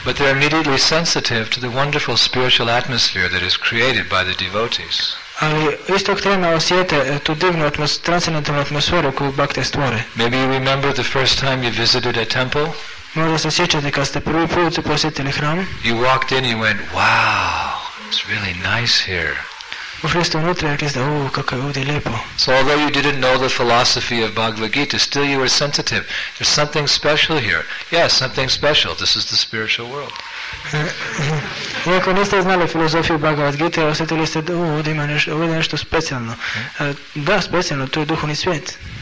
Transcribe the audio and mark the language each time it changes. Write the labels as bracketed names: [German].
[English] But they're immediately sensitive to the wonderful spiritual atmosphere that is created by the devotees. [Croatian] Ali istog trena osjete tu divnu transcendentalnu atmosferu koju bhakte stvore. [English] Maybe you remember the first time you visited a temple? [Croatian] Možda se sjećate kad ste prvi put posjetili hram. [English] You walked in and you went, wow, it's really nice here. [Croatian] Ušli ste unutra i rekli ste, ovo kako je ovdje lijepo. [English] So although you didn't know the philosophy of Bhagavad Gita, still you were sensitive. There's something special here. Yes, something special. This is the spiritual world. [Croatian] Iako niste znali filozofiju Bhagavad Gita, osjetili ste, ovdje nešto specijalno. Da, specijalno, to je duhovni svijet.